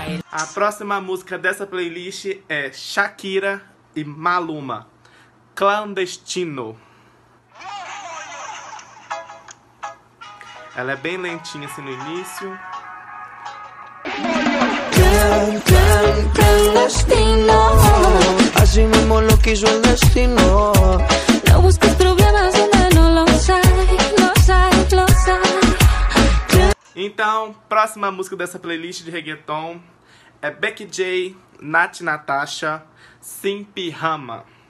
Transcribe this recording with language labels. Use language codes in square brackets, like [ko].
[pt] A próxima música dessa playlist é Shakira e Maluma, Clandestino. Ela é bem lentinha assim no início. [es] Clandestino, así mismo lo quiso el destino. No busques problemas donde no los hay, los hay, los hay. [pt] Então, próxima música dessa playlist de reggaeton é Becky J, Nath Natasha, Simpy Rama.